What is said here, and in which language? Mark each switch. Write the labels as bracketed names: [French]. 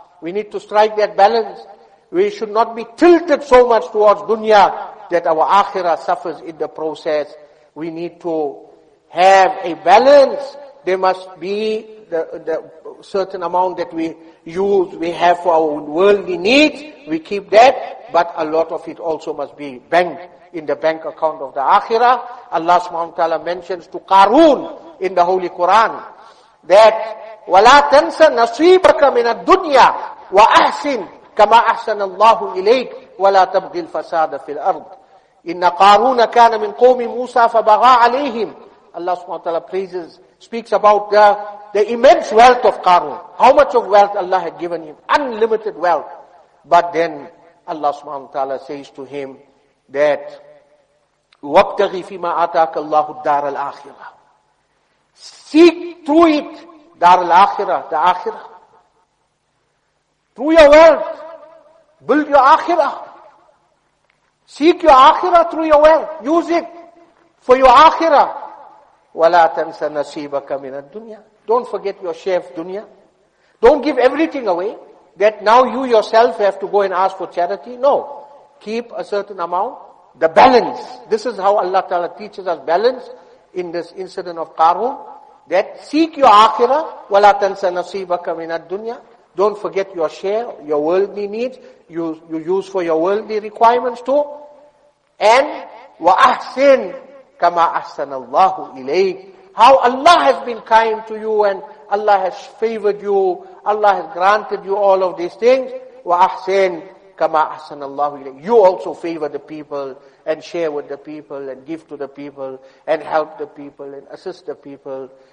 [English] We need to strike that balance. We should not be tilted so much towards dunya that our akhirah suffers in the process. We need to have a balance. There must be the certain amount that we use, we have for our worldly needs, we keep that, but a lot of it also must be banked in the bank account of the akhirah. Allah subhanahu wa ta'ala mentions to Qarun in the Holy Quran that [Arabic] وَلَا تَنْسَ نَصِيبَكَ مِنَ الدُّنْيَا وَأَحْسِنْ كَمَا أَحْسَنَ اللَّهُ إِلَيْكَ وَلَا تَبْغِ الْفَسَادَ فِي الْأَرْضِ إِنَّ قَارُونَ كَانَ مِنْ قَوْمِ مُوسَى فَبَغَى عَلَيْهِمْ. [English] Allah subhanahu wa ta'ala praises, speaks about the immense wealth of Qarun. How much of wealth Allah had given him? Unlimited wealth. But then Allah subhanahu wa ta'ala says to him that [Arabic] وَابْتَغِ فِي مَا آتَاكَ اللَّهُ الدَّارَ الْآخِرَةِ. [English] Seek through it دار الآخرة, the Akhirah. Through your wealth, build your Akhirah. Seek your Akhirah through your wealth. Use it for your Akhirah. [Arabic] وَلَا تَنْسَ نَصِيبَكَ مِنَ الدُّنْيَا. [English] Don't forget your share of dunya. Don't give everything away. that now you yourself have to go and ask for charity. No. Keep a certain amount. The balance. This is how Allah Ta'ala teaches us balance in this incident of Qarun. That seek your akhirah. [Arabic] وَلَا تَنْسَ نَصِيبَكَ مِنَ الدُّنْيَا. [English] Don't forget your share, your worldly needs. You use for your worldly requirements too. [Arabic] And وَأَحْسِنْ كَمَا أَحْسَنَ اللَّهُ إِلَيْكَ. [English] How Allah has been kind to you and Allah has favored you. Allah has granted you all of these things. [Arabic] وَأَحْسِنْ كَمَا أَحْسَنَ اللَّهُ إِلَيْكَ. [English] You also favor the people and share with the people and give to the people and help the people and assist the people.